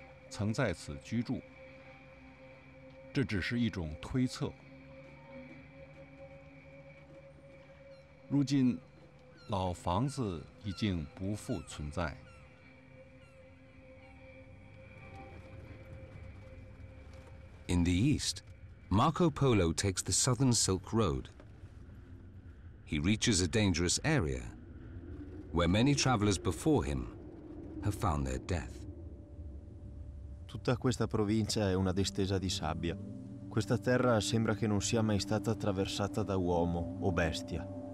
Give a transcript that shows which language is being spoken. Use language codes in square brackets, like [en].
[zh] 我们知道他，但却不了解他。在威尼斯，没有人知道他到底去过哪儿。这里应该是他的家，据说马可波罗家族曾在此居住。这只是一种推测。如今，老房子已经不复存在。 [en] In the east, Marco Polo takes the Southern Silk Road. He reaches a dangerous area where many travelers before him have found their death. [it] Tutta questa provincia è una distesa di sabbia. Questa terra sembra che non sia mai stata attraversata da uomo o bestia.